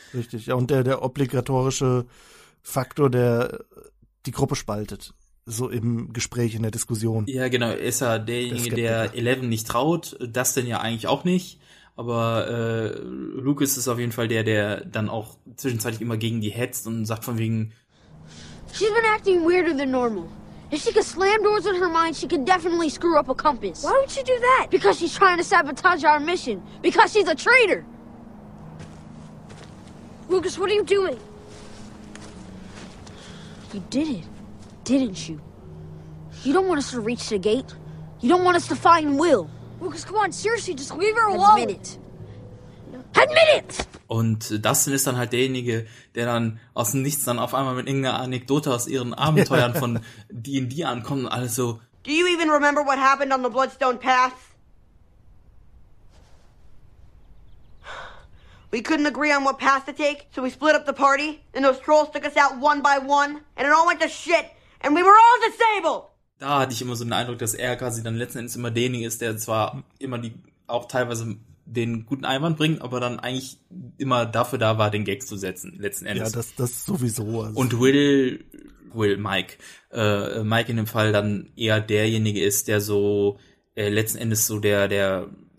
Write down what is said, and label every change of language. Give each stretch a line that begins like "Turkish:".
German: Richtig, ja, und der obligatorische Faktor, der die Gruppe spaltet, so im Gespräch, in der Diskussion. Ja, genau, ist ja derjenige, der Eleven nicht traut, das denn ja eigentlich auch nicht, Aber Lucas ist auf jeden Fall der, der dann auch zwischenzeitlich immer gegen die hetzt und sagt von wegen:
English: She's been acting weirder than normal. If she could slam doors in her mind, she could definitely screw up a compass. Why would she do that? Because she's trying to sabotage our mission. Because she's a traitor. Lucas, what are you doing? You did it, didn't you? You don't want us to reach the gate. You don't want us to find Will. Lucas, come on, seriously, just leave her alone. Admit it. Admit it!
German: Und Dustin ist dann halt derjenige, der dann aus dem Nichts dann auf einmal mit irgendeiner Anekdote aus ihren Abenteuern von D&D ankommt und alles so:
English: Do you even remember what happened on the Bloodstone Pass? We couldn't agree on what path to take, so we split up the party, and those trolls took us out one by one, and it all went to shit, and we were all disabled!
German: Da hatte ich immer so den Eindruck, dass er quasi dann letzten Endes immer derjenige ist, der zwar immer die, auch teilweise den guten Einwand bringt, aber dann eigentlich immer dafür da war, den Gag zu setzen, letzten Endes. Ja, das sowieso. Also. Und Mike in dem Fall dann eher derjenige ist, der so letzten Endes so der